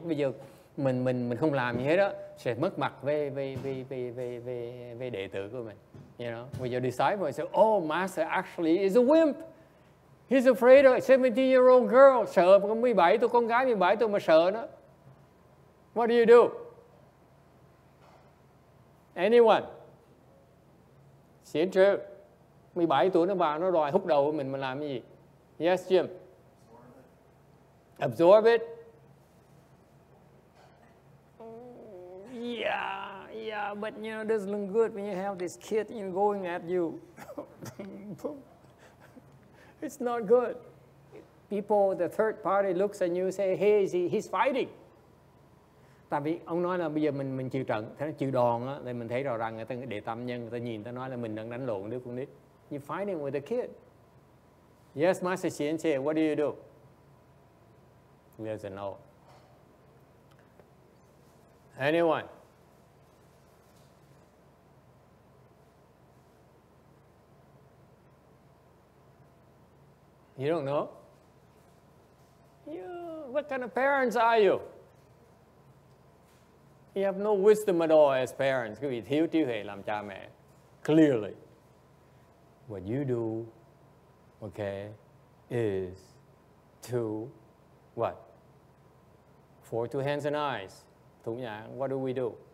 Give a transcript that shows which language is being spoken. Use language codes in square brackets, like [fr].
[vi] Bây giờ mình không làm gì hết á, sẽ mất mặt về đệ tử của mình. [en] You know? When your disciples say, oh, master actually is a wimp. He's afraid of a 17-year-old girl. [vi] Sợ 17 tuổi, con gái 17 tuổi mà sợ nó. [en] What do you do? [vi] Anyone? Xin chứ. 17 tuổi nó vào, nó đòi hút đầu của mình, mình làm cái gì? [en] Yes, Jim. Absorb it. Yeah, but you know, it doesn't look good when you have this kid going at you. It's not good. People, the third party looks at you and say, hey, he's fighting. [vi] Tại vì ông nói là bây giờ mình chịu trận, thế nó chịu đòn á, thì mình thấy rõ ràng người ta để tâm nhân, người ta nhìn, người ta nói là mình đang đánh lộn đứa con nít. [en] You're fighting with a kid. Yes, Master Xian Che, what do you do? There's a no. Anyone? You don't know? Yeah, what kind of parents are you? You have no wisdom at all as parents. [vi] Quý vị thiếu trí huệ làm cha mẹ. [en] Clearly. What you do, okay, is to, what? Four, two hands and eyes. Thủ nhãn, what do we do?